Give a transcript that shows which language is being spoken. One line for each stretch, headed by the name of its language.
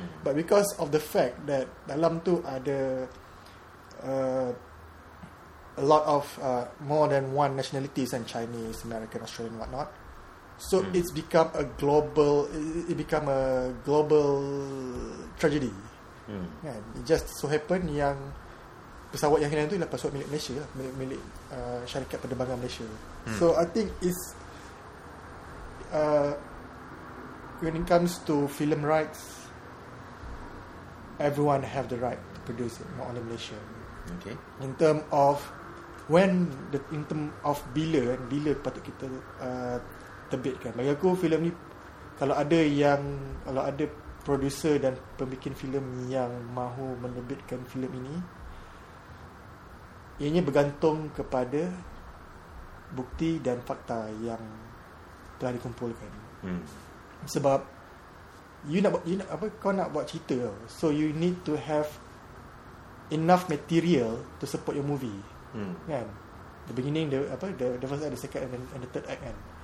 English: But because of the fact that
Malay: dalam tu ada
English: a lot of more than one nationalities, and Chinese, American, Australian, what not. So it's become a global, it become a global tragedy.
Malay: Kan?
English: It just so happen
Malay: yang pesawat yang hilang tu ialah pesawat milik Malaysia lah, milik syarikat penerbangan Malaysia.
English: So I think it's when it comes to film rights, everyone have the right to produce it, not only Malaysia. Okay. In term of when the, in term of
Malay: bila, bila patut kita terbitkan. Bagi aku filem ni, kalau ada yang, kalau ada producer dan pembikin filem yang mahu menerbitkan filem ini, ianya bergantung kepada bukti dan fakta yang telah dikumpulkan. Sebab you nak apa, kau nak buat cerita,
English: so you need to have enough material to support your movie. Kan, the beginning, the apa, the first act, the second act, and the third act kan.